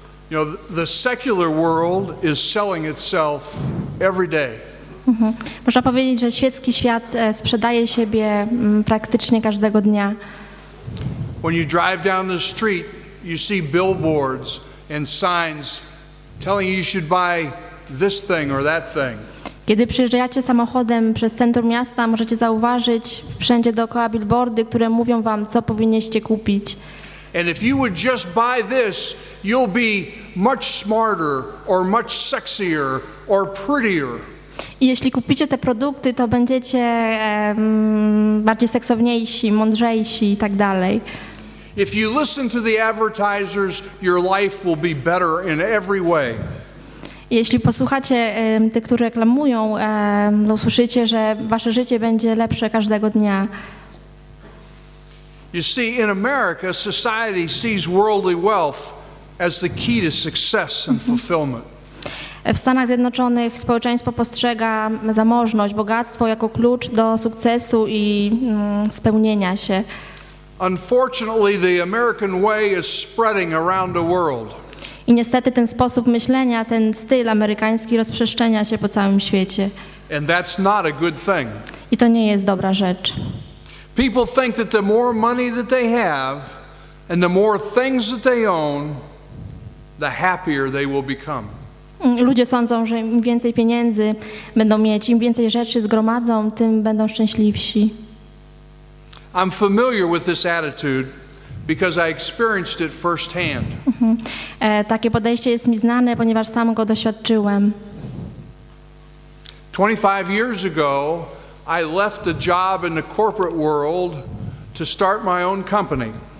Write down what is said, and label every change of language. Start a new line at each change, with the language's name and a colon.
English: You know, the secular world is selling itself every day.
Polish: Można powiedzieć, że świecki świat sprzedaje siebie praktycznie każdego dnia.
English: When you drive down the street, you see billboards and signs telling you should buy this thing or that thing.
Polish: Kiedy przejeżdżacie samochodem przez centrum miasta, możecie zauważyć wszędzie dookoła billboardy, które mówią wam, co powinniście kupić.
English: And if you would just buy this, you'll be much smarter or much sexier or prettier.
Polish: I jeśli kupicie te produkty, to będziecie bardziej seksowniejsi, mądrzejsi i tak dalej.
English: If you listen to the advertisers, your life will be better in every way.
Polish: Jeśli posłuchacie tych, którzy reklamują, usłyszycie, że wasze życie będzie lepsze każdego dnia.
English: You see, in America, society sees worldly wealth as the key to success and fulfillment.
Polish: W Stanach Zjednoczonych społeczeństwo postrzega zamożność, bogactwo jako klucz do sukcesu i spełnienia się.
English: Unfortunately, the American way is spreading around the world.
Polish: I niestety ten sposób myślenia, ten styl amerykański rozprzestrzenia się po całym świecie.
English: And that's not a good thing.
Polish: I to nie jest dobra rzecz.
English: People think that the more money that they have and the more things that they own, the happier they will become.
Polish: Ludzie sądzą, że im więcej pieniędzy będą mieć, im więcej rzeczy zgromadzą, tym będą szczęśliwsi.
English: I'm familiar with this attitude because I experienced it firsthand.
Polish: Takie podejście jest mi znane, ponieważ sam go doświadczyłem.
English: 25 years ago, I left a job in the corporate world to start my own company.